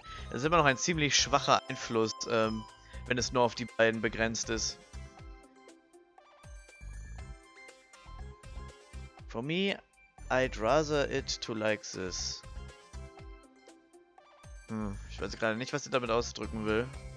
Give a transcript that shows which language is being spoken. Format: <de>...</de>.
<de>Es ist immer noch ein ziemlich schwacher Einfluss, wenn es nur auf die beiden begrenzt ist.</de> <en>For me, I'd rather it to like this.</en> <de>Ich weiß gerade nicht, was sie damit ausdrücken will.</de>